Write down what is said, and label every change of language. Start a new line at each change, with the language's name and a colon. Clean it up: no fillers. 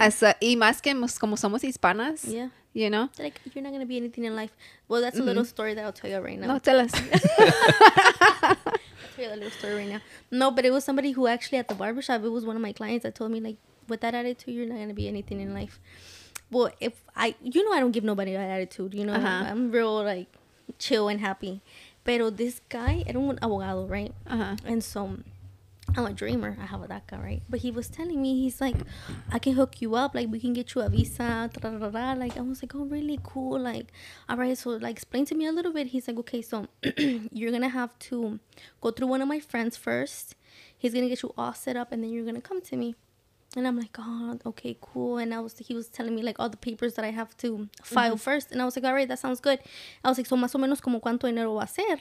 English: as a,
Spanish: y más que como somos hispanas,
English: yeah. you know? Like, you're not going to be anything in life. Well, that's a mm-hmm. little story that I'll tell you right now. No, tell us. I'll tell you a little story right now. No, but it was somebody who actually at the barbershop, it was one of my clients that told me, like, with that attitude, you're not going to be anything in life. Well, if I, you know, I don't give nobody that attitude, you know? Uh-huh. I'm real, like, chill and happy. Pero this guy,
Spanish: era un abogado,
English: right? Uh-huh. And so... I'm a dreamer. I have a DACA, right? But he was telling me, he's like, I can hook you up. Like, we can get you a visa. Tra-ra-ra. Like, I was like, oh, really cool. Like, all right. So, like, explain to me a little bit. He's like, okay, so you're going to have to go through one of my friends first. He's going to get you all set up. And then you're going to come to me. And I'm like, oh, okay, cool. And I was, he was telling me like all the papers that I have to file mm-hmm. first. And I was like, all right, that sounds good. I was like, so
Spanish: más o menos como cuánto dinero va a ser?